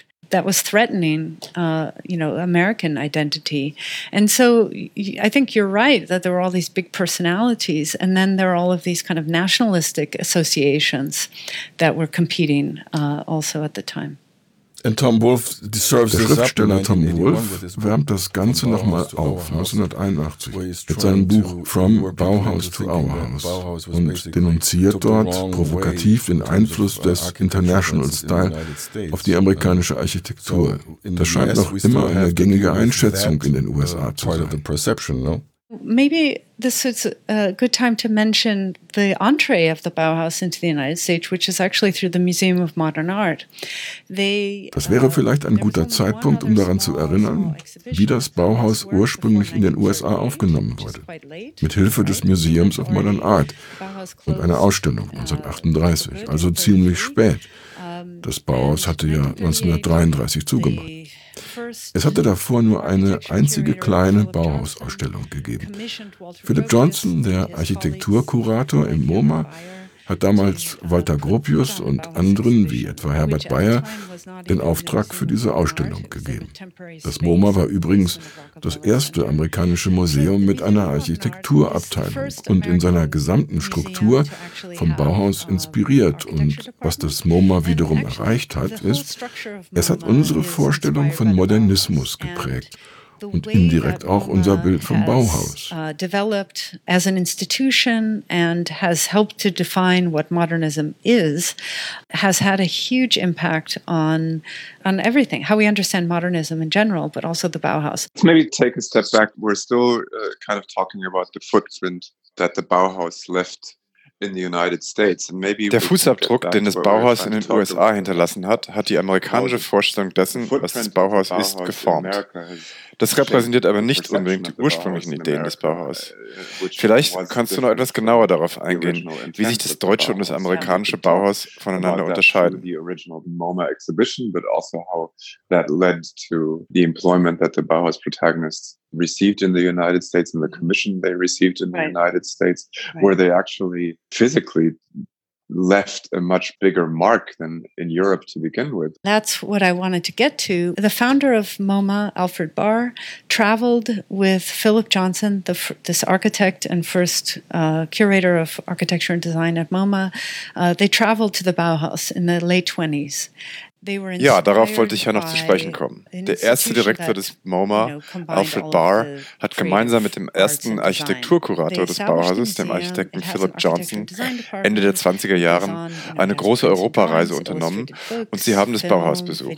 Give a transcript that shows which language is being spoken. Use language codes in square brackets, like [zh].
[en] That was threatening, American identity. And so I think you're right that there were all these big personalities, and then there are all of these kind of nationalistic associations that were competing also at the time. And Tom Wolfe deserves this up. [de] Der Schriftsteller Tom Wolfe wärmt das Ganze nochmal auf, 1981, mit seinem Buch From Bauhaus to Our House und denunziert dort provokativ den Einfluss des International Style auf die amerikanische Architektur. Das scheint noch immer eine gängige Einschätzung in den USA zu sein. [en] Maybe this is a good time to mention the entree of the Bauhaus into the United States, which is actually through the Museum of Modern Art. [de] Das wäre vielleicht ein guter Zeitpunkt, um daran zu erinnern, wie das Bauhaus ursprünglich in den USA aufgenommen wurde, mit Hilfe des Museums of Modern Art und einer Ausstellung 1938, also ziemlich spät. Das Bauhaus hatte ja 1933 zugemacht. Es hatte davor nur eine einzige kleine Bauhausausstellung gegeben. Philip Johnson, der Architekturkurator im MoMA, hat damals Walter Gropius und anderen, wie etwa Herbert Bayer, den Auftrag für diese Ausstellung gegeben. Das MoMA war übrigens das erste amerikanische Museum mit einer Architekturabteilung und in seiner gesamten Struktur vom Bauhaus inspiriert. Und was das MoMA wiederum erreicht hat, ist, es hat unsere Vorstellung von Modernismus geprägt. Und indirekt auch unser Bild vom Bauhaus. [en] Developed as an institution and has helped to define what modernism is, has had a huge impact on everything, how we understand modernism in general, but also the Bauhaus. Let's maybe take a step back. We're still kind of talking about the footprint that the Bauhaus left in the United States. And maybe [de] der Fußabdruck, den das Bauhaus in den USA hinterlassen hat, hat die amerikanische Vorstellung dessen, was das Bauhaus ist, geformt. Das repräsentiert aber nicht unbedingt die ursprünglichen Ideen des Bauhaus. Vielleicht kannst du noch etwas genauer darauf eingehen, wie sich das deutsche und das amerikanische Bauhaus voneinander unterscheiden. [en] The original MoMA exhibition, but also how that led to the employment that the Bauhaus protagonists received in the United States and the commission they received in the United States, where they actually physically left a much bigger mark than in Europe to begin with. That's what I wanted to get to. The founder of MoMA, Alfred Barr, traveled with Philip Johnson, this architect and first curator of architecture and design at MoMA. They traveled to the Bauhaus in the late 20s. [de] Ja, darauf wollte ich ja noch zu sprechen kommen. Der erste Direktor des MoMA, Alfred Barr, hat gemeinsam mit dem ersten Architekturkurator des Bauhauses, dem Architekten Philip Johnson, Ende der 20er Jahre eine große Europareise unternommen und sie haben das Bauhaus besucht.